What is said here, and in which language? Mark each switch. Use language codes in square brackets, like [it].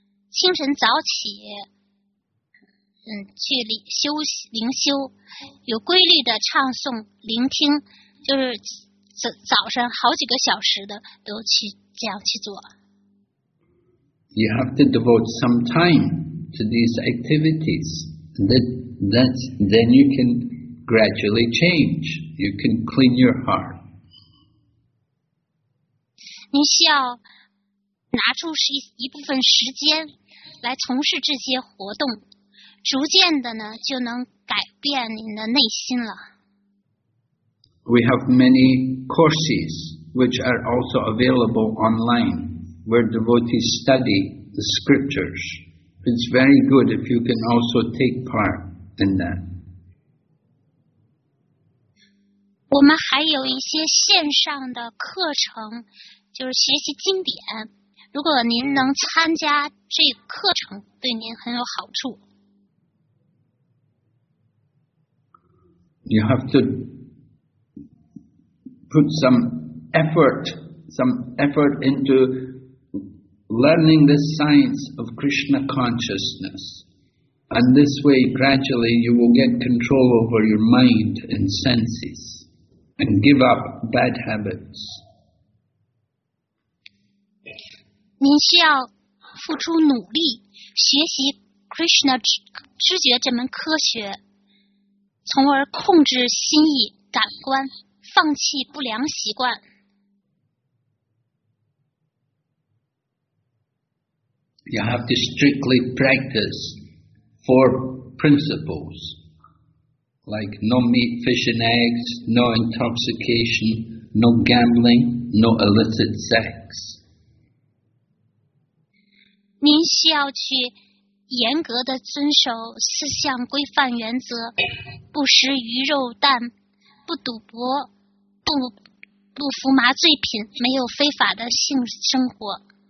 [zh] 清晨早起，去修灵修，有规律的唱诵、聆听，就是早上好几个小时的都去这样去做。 [en] You have to devote some time to these activities. Then you can gradually change. You can clean your heart. [zh] 你需要拿出一部分时间来从事这些活动，逐渐的呢就能改变你的内心了。 [en] We have many courses which are also available online where devotees study the scriptures. It's very good if you can also take part in that. [zh] 我们还有一些线上的课程，就是学习经典。如果您能参加这课程，对您很有好处。 [en] You have to put some effort into learning the science of Krishna consciousness. And this way, gradually, you will get control over your mind and senses and give up bad habits. [zh] 您需要付出努力学习 Krishna 知觉这门科学，从而控制心意感官，放弃不良习惯。 [en] You have to strictly practice four principles, like no meat, fish and eggs, no intoxication, no gambling, no illicit sex. [zh] 您需要去严格地遵守四项规范原则，不食鱼肉蛋，不赌博，不服麻醉品，没有非法的性生活。